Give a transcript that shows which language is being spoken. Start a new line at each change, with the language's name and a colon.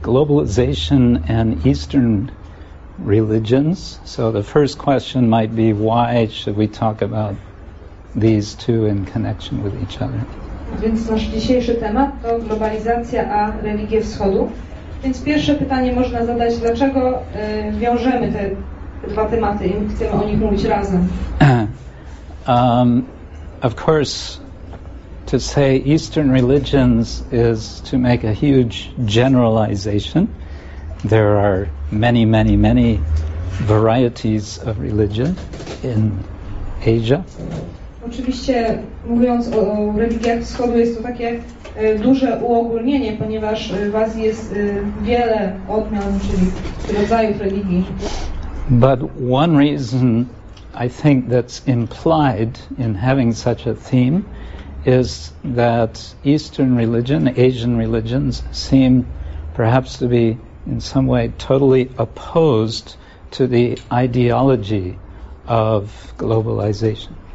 English: Globalization and Eastern religions. So the first question might be, why should we talk about these two in connection with each other?
Polish: Więc nasz dzisiejszy temat to globalizacja a religie wschodu. Więc pierwsze pytanie można zadać, dlaczego wiążemy te dwa tematy i chcemy o nich mówić razem?
English: Of course, to say Eastern religions is to make a huge generalization. There are many, many, many varieties of religion in Asia.
Polish: Oczywiście, mówiąc o religiach wschodu, jest to takie duże uogólnienie, ponieważ w Azji jest wiele odmian, czyli rodzajów religii.
English: But one reason I think that's implied in having such a theme is that Eastern religion, Asian religions, seem perhaps to be in some way totally opposed to the ideology of globalization.